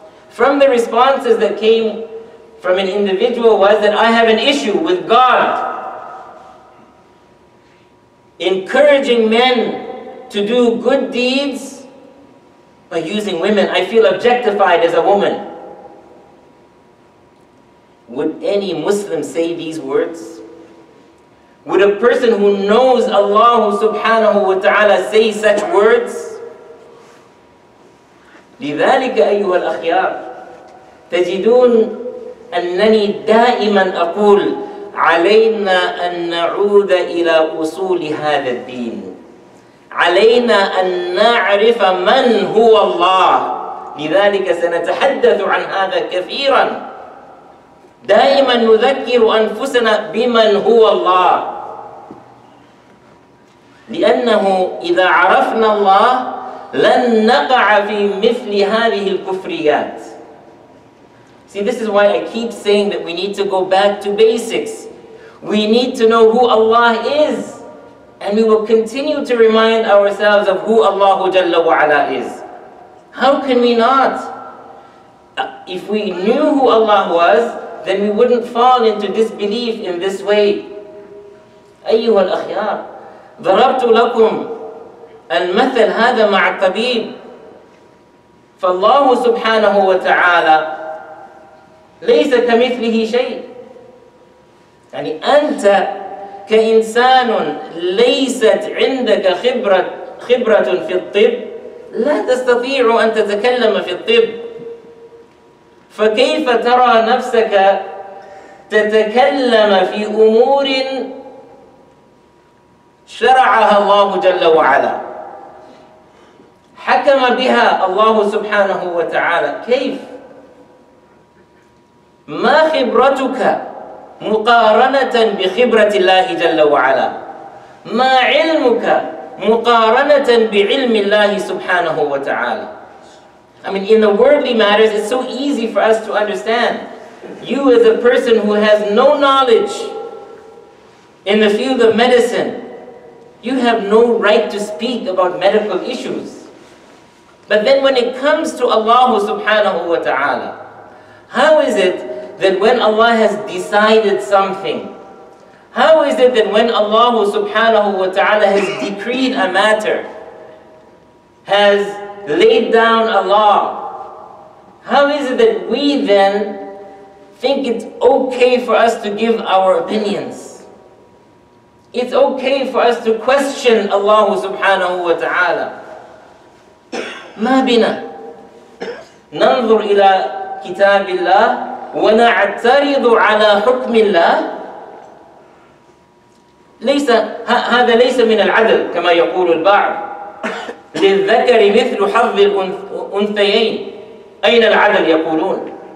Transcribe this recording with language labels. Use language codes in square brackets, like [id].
[en] From the responses that came from an individual was that I have an issue with God encouraging men to do good deeds by using women. I feel objectified as a woman. Would any Muslim say these words? Would a person who knows Allah subhanahu wa ta'ala say such words? [ar] لذلك أيها الأخيار تجدون أنني دائما أقول علينا أن نعود إلى أصول هذا الدين. علينا أن نعرف من هو الله. لذلك سنتحدث عن هذا كثيرا. دائما نذكر أنفسنا بمن هو الله. لأنه إذا عرفنا الله لن نقع في مثل هذه الكفريات. [en] See, this is why I keep saying that we need to go back to basics. We need to know who Allah is. And we will continue to remind ourselves of who Allah Jalla wa Ala is. How can we not? If we knew who Allah was, then we wouldn't fall into disbelief in this way. [ar] أيها الأخيار ضربت لكم المثل هذا مع الطبيب. فالله سبحانه وتعالى ليس كمثله شيء. يعني أنت كإنسان ليست عندك خبرة في الطب لا تستطيع أن تتكلم في الطب. فكيف ترى نفسك تتكلم في أمور شرعها الله جل وعلا حكم بها الله سبحانه وتعالى؟ كيف؟ ما خبرتك مقارنة بخبرة الله جل وعلا؟ ما علمك مقارنة بعلم الله سبحانه وتعالى؟ [en] I mean, in the worldly matters, it's so easy for us to understand. You as a person who has no knowledge in the field of medicine, you have no right to speak about medical issues. But then when it comes to Allah subhanahu wa ta'ala, how is it that when Allah has decided something, how is it that when Allah subhanahu wa ta'ala has decreed a matter, has laid down a law, how is it that we then think it's okay for us to give our opinions? It's okay for us to question Allah subhanahu wa ta'ala. [ar] مَا بِنَا نَنْظُرْ إِلَىٰ كِتَابِ اللَّهِ وَنَعْتَرِضُ عَلَىٰ حُكْمِ اللَّهِ هذا ليس من العدل كما يقول البعض للذكر مثل حظ الأنثيين أين العدل يقولون